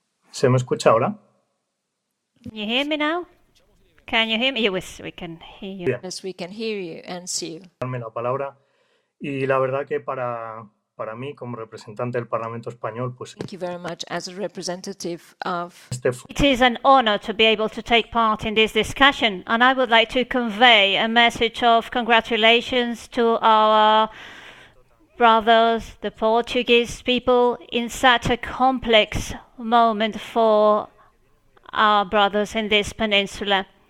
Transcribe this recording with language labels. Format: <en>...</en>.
<es>¿Se me escucha ahora? ¿Me oyes ahora?</es> <en>Can you hear me? Yes, we can hear you.</en> <es>Bien.</es> <en>Yes, we can hear you and see you.</en> <es>Darme la palabra. Y la verdad que para mí, como representante del Parlamento Español, pues...</es> <en>Thank you very much as a representative of... It is an honor to be able to take part in this discussion, and I would like to convey a message of congratulations to our brothers, the Portuguese people, in such a complex moment for our brothers in this peninsula.</en>